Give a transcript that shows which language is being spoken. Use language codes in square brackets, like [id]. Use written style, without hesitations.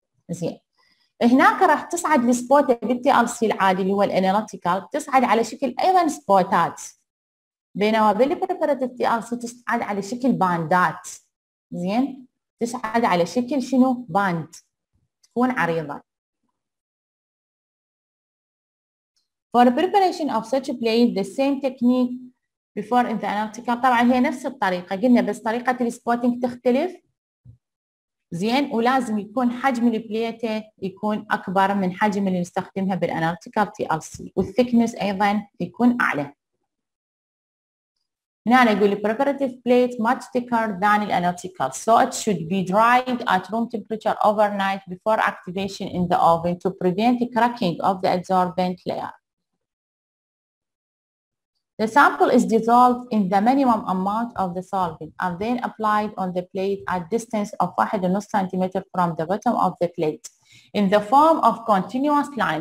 [ar] زين هناك راح تصعد السبوت بالتي ال سي العادي اللي هو الاناليتيكال تصعد على شكل ايضا سبوتات، بينما بالبريبراتيف تي ال سي تصعد على شكل باندات. زين تصعد على شكل شنو؟ باند، تكون عريضه. [en] For the preparation of such a plate the same technique before in the analytical. [ar] طبعا هي نفس الطريقه قلنا بس طريقه السبوتنج تختلف. زين ولازم يكون حجم البليته يكون اكبر من حجم اللي نستخدمها بالاناليتيكال تي ال سي، والثيكنس ايضا يكون اعلى. هنا نقول [en] preparative plate much thicker than the analytical so it should be dried at room temperature overnight before activation in the oven to prevent the cracking of the adsorbent layer. The sample is dissolved in the minimum amount of the solvent and then applied on the plate at distance of 1.5 cm from the bottom of the plate in the form of continuous line.